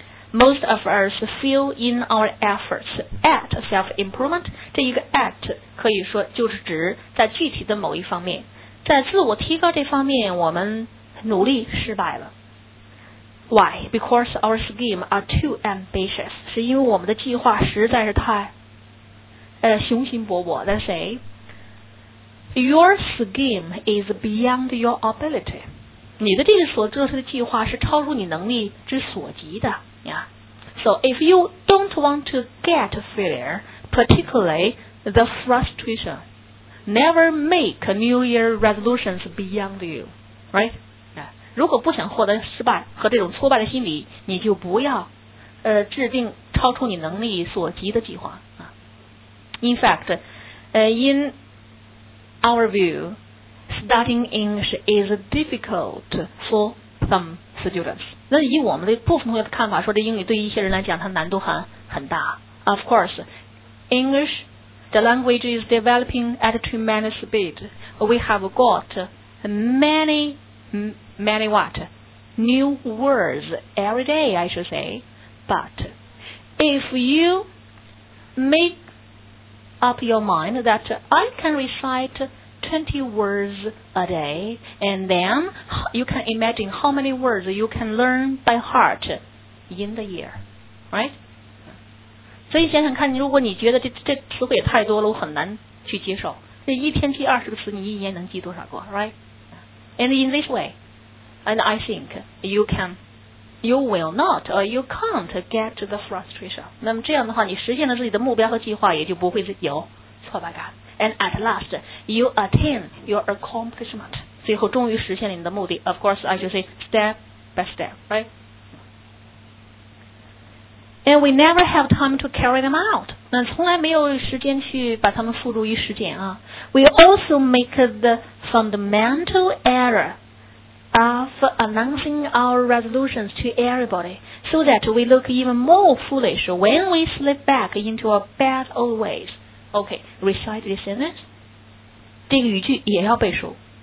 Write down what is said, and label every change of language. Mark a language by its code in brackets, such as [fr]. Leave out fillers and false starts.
[en] Most of us fail in our efforts at self-improvement. [zh] 这一个 at 可以说就是指在具体的某一方面，在自我提高这方面我们努力失败了。 [en] Why? Because our scheme are too ambitious. [zh] 是因为我们的计划实在是太雄心勃勃。 [en] That's a Your scheme is beyond your ability. [zh] 你的这个所做出的计划是超出你能力之所及的。 [en] Yeah. So if you don't want to get failure, particularly the frustration, never make New Year resolutions beyond you, right? Yeah. [zh] 如果不想获得失败和这种挫败的心理，你就不要制定超出你能力所及的计划啊。 [en] In fact, in our view, starting English is difficult for some students. [zh] 那以我们的部分同学的看法说，这英语对于一些人来讲它难度很大。 [en] Of course English the language is developing at tremendous speed. We have got many what new words every day I should say, but if you make up your mind that I can recite 20 words a day, and then you can imagine how many words you can learn by heart in the year, right? [zh] 所以想想看，如果你觉得这词汇也太多了，我很难去接受。这一天记20个词，你一年能记多少个 ？ [en] Right? And in this way, and I think you will not or you can't get to the frustration. [zh] 那么这样的话，你实现了自己的目标和计划，也就不会有挫败感。 [en] And at last, you attain your accomplishment. [zh] 最后终于实现了你的目的。 [en] Of course, I should say step by step, right? And we never have time to carry them out. [zh] 那从来没有时间去把它们付诸于实践啊。 [en] We also make the fundamental error of announcing our resolutions to everybody so that we look even more foolish when we slip back into our bad old ways. Okay, recite this sentence. [zh] 这个语句也要背熟。